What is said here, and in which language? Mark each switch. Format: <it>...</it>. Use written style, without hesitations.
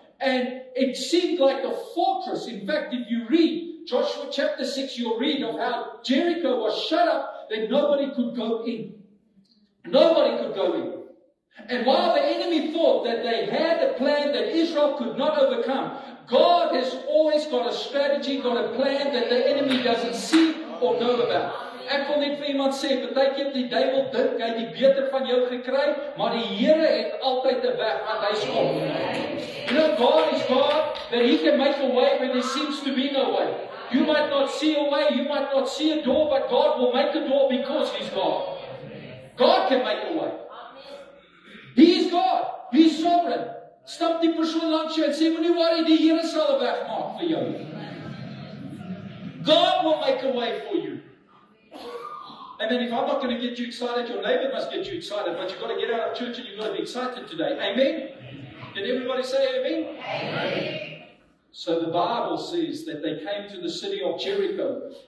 <en>And it seemed like a fortress. In fact, if you read Joshua chapter 6, you'll read of how Jericho was shut up that nobody could go in. Nobody could go in. And while the enemy thought that they had a plan that Israel could not overcome, God has always got a strategy, got a plan that the enemy doesn't see or know about.</en> <af>Ek wil net vir iemand sê, partykeer die duivel dink hy het die beter van jou gekry, maar die Here het altyd 'n weg aan hy se kom.</af> <en>You know, God is God, that he can make a way where there seems to be no way. You might not see a way, you might not see a door, but God will make a door because he's God. God can make a way. He is God. He is sovereign.</en> <af>Stap die persoon langs jou en sê, moenie worry, die Here sal 'n weg maak vir jou.</af> <en>God will make a way for you. And then if I'm not going to get you excited, your neighbor must get you excited. But you've got to get out of church and you've got to be excited today. Amen? Did everybody say amen? Amen. So the Bible says that they came to the city of Jericho.</en>